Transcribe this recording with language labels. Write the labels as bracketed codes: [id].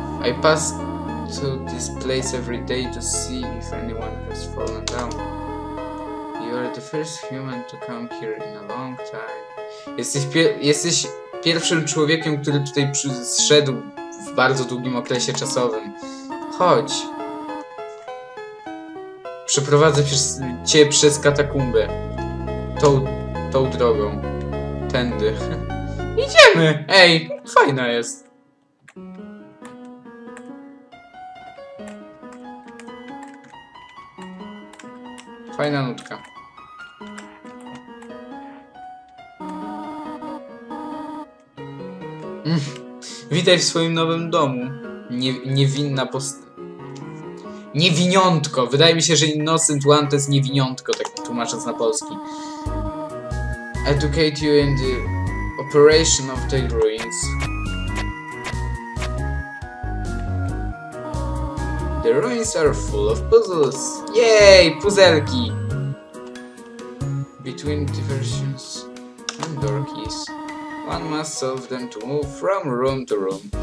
[en] I pass to this place every day to see if anyone has fallen down. You are the first human to come here in a long time. [pl] Jesteś pierwszym człowiekiem, który tutaj przyszedł w bardzo długim okresie czasowym. Chodź. Przeprowadzę cię przez katakumbę. Tą drogą. Tędy. Idziemy! Ej, fajna jest. Fajna nutka. Witaj w swoim nowym domu. Niewinna Niewiniątko. Wydaje mi się, że Innocent One to jest niewiniątko, tak tłumacząc na polski. [en] Educate you in the operation of the ruins. The ruins are full of puzzles. Yay, puzelki. Between diversions and door keys. One must solve them to move from room to room.